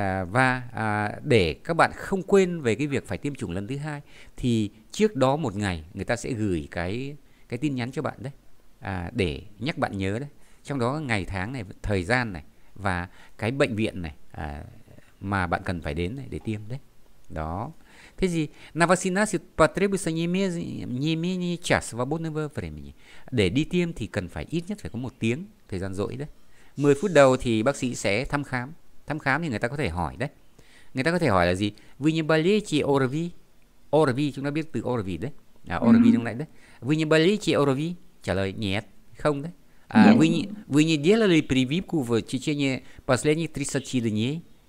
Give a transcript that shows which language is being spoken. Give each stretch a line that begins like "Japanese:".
Vietnamese: Và để các bạn không quên về cái việc phải tiêm chủng lần thứ 2 thì trước đó một ngày người ta sẽ gửi cái tin nhắn cho bạn đấy, để nhắc bạn nhớ đấy. Trong đó ngày tháng này, thời gian này, và cái bệnh viện này mà bạn cần phải đến này để tiêm đấy. Đó. Thế gì?
Russian: На вакцинацию потребуется не менее час свободного времени.
Vietnamese: Để đi tiêm thì cần phải ít nhất phải có 1 tiếng thời gian rỗi đấy. 10 phút đầu thì bác sĩ sẽ thăm khám. Thăm khám thì người ta có thể hỏi đấy. Người ta có thể hỏi là gì?
Russian: Вы не болеете ОРВИ?
Vietnamese: ОРВИ, chúng ta biết từ ОРВИ đấy. ОРВИ lúc nãy đấy.
Russian: Вы не болеете ОРВИ?
Vietnamese: Trả lời нет, không đấy.
Russian: Вы не делали прививку в течение последних 30 дней?